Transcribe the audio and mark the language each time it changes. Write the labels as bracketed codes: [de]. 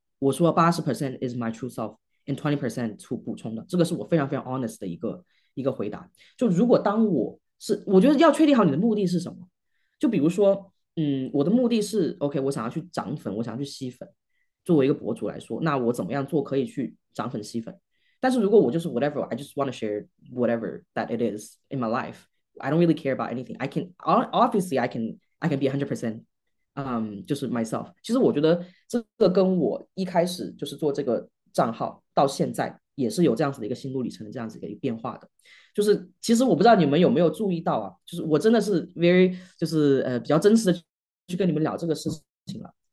[zh] 我说80% [en] is my true self，and [zh] 20% 是补充的。这个是我非常非常 honest 的一个回答。就如果当我觉得要确定好你的目的是什么。就比如说，我的目的是 OK，我想要去涨粉，我想要去吸粉。作为一个博主来说，那我怎么样做可以去涨粉吸粉？但是如果我就是 [en] whatever，I just want to share whatever that it is in my life，I don't really care about anything. I can obviously I can be 100%。 [zh] 就是 [en] myself。 [zh] 其实我觉得这个跟我一开始就是做这个账号到现在也是有这样子的一个心路里程的这样子的一个变化的。就是其实我不知道你们有没有注意到啊，就是我真的是 very 就是比较真实的去跟你们聊这个事情了。